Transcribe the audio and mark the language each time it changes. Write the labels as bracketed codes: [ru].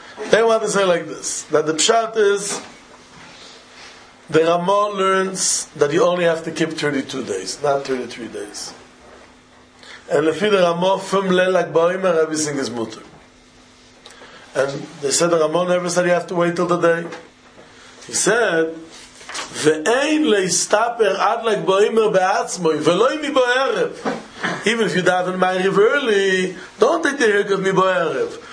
[en] They want to say like this, that the Pshat is, the Rambam learns that you only have to keep 32 days, not 33 days. And Lefi the Rambam, from Leil Lag BaOmer, everything is mutter. And they said, the Rambam never said you have to wait till the day. [he] He said, ואין להסתפר עד לג בוימר בעצמוי, ולא עם מבוא ערב. [en] Even if you daven ma'ariv early, don't take the haircut [he] מבוא ערב.